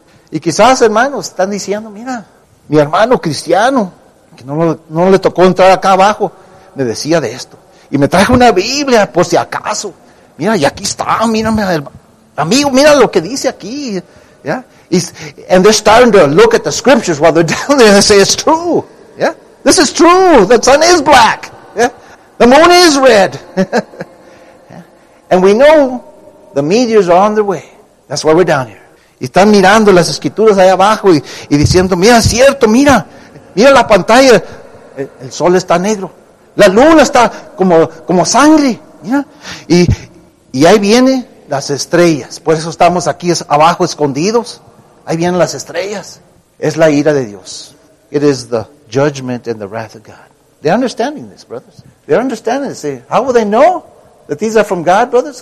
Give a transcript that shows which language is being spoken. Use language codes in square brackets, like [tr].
[es] Y quizás, hermanos, están diciendo, mira, mi hermano cristiano, que no le tocó entrar acá abajo, me decía de esto. Y me traje una Biblia, por si acaso. Mira, y aquí está, mírame, amigo, mira lo que dice aquí. ¿Ya? [en] And they're starting to look at the scriptures while they're down there and say, it's true. ¿Ya? This is true. The sun is black. ¿Ya? The moon is red. ¿Ya? And we know the meteors are on their way. That's why we're down here. [es] Y están mirando las escrituras ahí abajo y diciendo, mira, es cierto, mira la pantalla, el sol está negro, la luna está como sangre, mira, y ahí vienen las estrellas, por eso estamos aquí abajo escondidos, ahí vienen las estrellas, es la ira de Dios. [en] It is the judgment and the wrath of God. They're understanding this, brothers. They're understanding this. How will they know that these are from God, brothers?